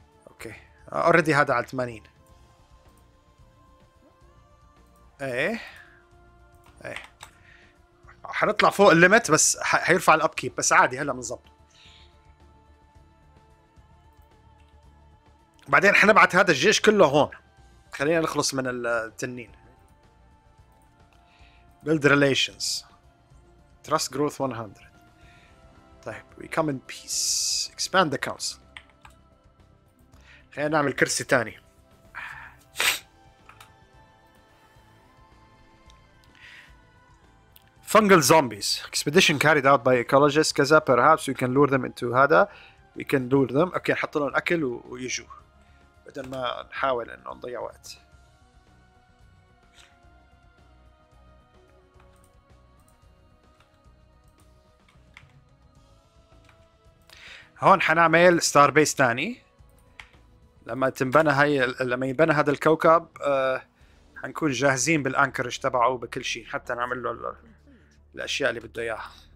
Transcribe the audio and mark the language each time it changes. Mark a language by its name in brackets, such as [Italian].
[Arabic] اوكي اوريدي هذا على 80، ايه ايه حنطلع فوق الليمت، بس حيرفع الاب كيب، بس عادي هلا بنظبط. بعدين حنبعت هذا الجيش كله هون، خلينا نخلص من التنين. [English] build relations trust growth 100. [Arabic] طيب [English] we come in peace expand the council. [Arabic] خلينا نعمل كرسي تاني. [English] Fungal zombies. Expedition carried out by ecologists. [Arabic] كذا. [English] Perhaps we can lure them into [Arabic] هذا. [English] We can lure them. Okay. [Arabic] نحط لهم أكل ويجوا. بدل ما نحاول إنه نضيع وقت. هون حنعمل star base تاني. لما تنبنى هاي، لما ينبنى هذا الكوكب، حنكون جاهزين بالأنكرش تبعه وبكل شيء، حتى نعمل له الأشياء اللي بده إياها.